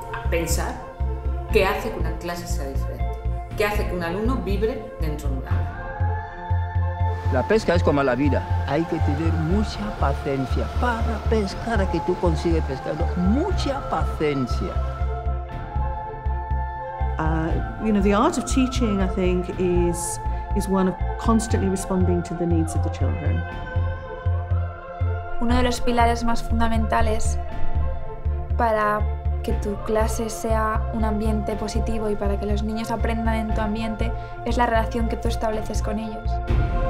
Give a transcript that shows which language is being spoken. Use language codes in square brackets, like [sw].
[es] Pensar qué hace que una clase sea diferente, qué hace que un alumno vibre dentro de un aula. La pesca es como la vida. Hay que tener mucha paciencia para pescar, que tú consigues pescarlo. Mucha paciencia. [en] You know, the art of teaching, I think, is one of constantly responding to the needs of the children. [es] Uno de los pilares más fundamentales para que tu clase sea un ambiente positivo y para que los niños aprendan en tu ambiente es la relación que tú estableces con ellos.